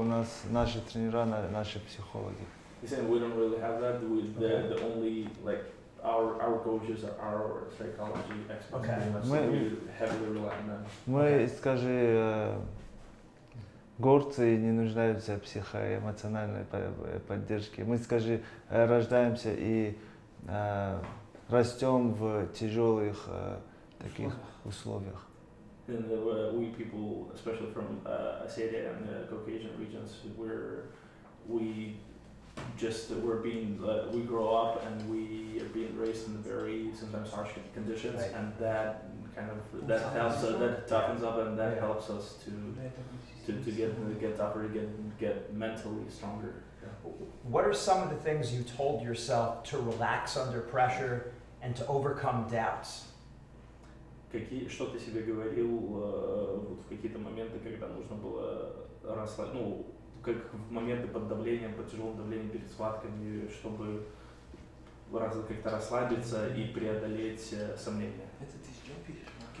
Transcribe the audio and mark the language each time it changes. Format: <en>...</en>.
<ru>У нас наши тренера, наши психологи.</ru> <en>He's saying we don't really have that. The only like our coaches are our psychology experts. Okay.</en> <ru>Мы</ru> <en>so heavily rely on them.</en> <ru>Мы, скажи, горцы не нуждаются в психоэмоциональной поддержке. Мы, скажи, рождаемся и растем в тяжелых таких условиях.</ru> <en>And we people, especially from Asia and Caucasian regions, we grow up and we are being raised in very sometimes harsh conditions, right. And that kind of that helps us, that toughens up, and that helps us to get tougher, get mentally stronger. What are some of the things you told yourself to relax under pressure and to overcome doubts?</en> <ru>Какие, что ты себе говорил вот в какие-то моменты, когда нужно было расслабиться, ну, как в моменты под давлением, под тяжелым давлением перед схватками, чтобы как-то расслабиться и преодолеть сомнения? Это ты с чем пишешь?</ru>